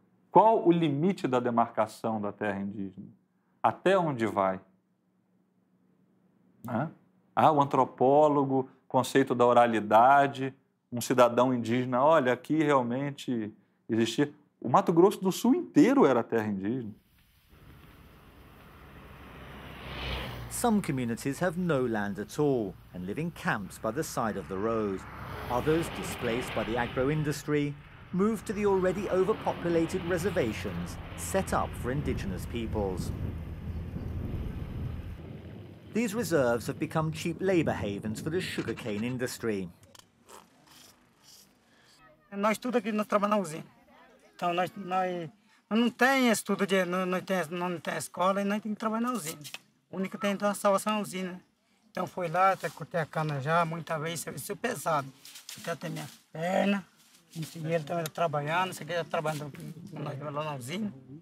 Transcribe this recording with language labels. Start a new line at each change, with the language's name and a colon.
Portuguese: Qual o limite da demarcação da terra indígena? Até onde vai? O antropólogo, conceito da oralidade, um cidadão indígena, olha, aqui realmente existia. O Mato Grosso do Sul inteiro era terra indígena.
English: Some communities have no land at all and live in camps by the side of the road. Others, displaced by the agro-industry, move to the already overpopulated reservations set up for indigenous peoples. These reserves have become cheap labor havens for the sugarcane industry.
Portuguese: Nós tudo aqui nós trabalhamos na usina. Então nós não tem estudo de não tem escola e nós tem que trabalhar na usina. O único que tem então a salvação é a usina. Então fui lá até cortei a cana já muitas vezes, serviço pesado. Até até minha perna. E ele também está trabalhando, esse aqui está trabalhando aqui, lá na usina.